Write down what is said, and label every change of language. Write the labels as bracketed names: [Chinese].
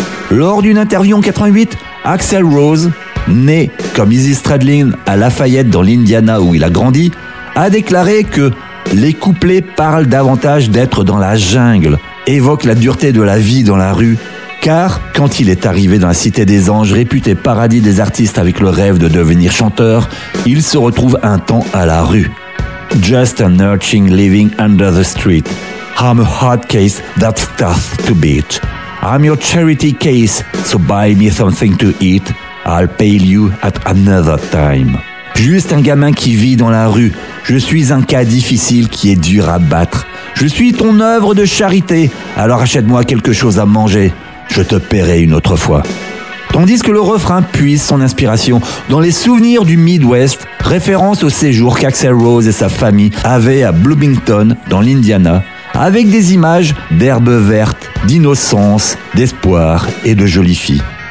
[French] Lors d'une interview en 88, Axl Rose, né comme Izzy Stradlin à Lafayette dans l'Indiana où il a grandi, a déclaré que les couplets parlent davantage d'être dans la jungle, évoquent la dureté de la vie dans la rue, car quand il est arrivé dans la Cité des Anges, réputé paradis des artistes avec le rêve de devenir chanteur, il se retrouve un temps à la rue. [English] Just an urchin living under the street. I'm a hard case that's tough to beat. I'm your charity case, so buy me something to eat. I'll pay you at another time. [French] Juste un gamin qui vit dans la rue. Je suis un cas difficile qui est dur à battre. Je suis ton œuvre de charité. Alors achète-moi quelque chose à manger. Je te paierai une autre fois. Tandis que le refrain puise son inspiration dans les souvenirs du Midwest, référence au séjour qu'Axl Rose et sa famille avaient à Bloomington, dans l'Indiana, avec des images d'herbes vertes, d'innocence, d'espoir et de jolies filles.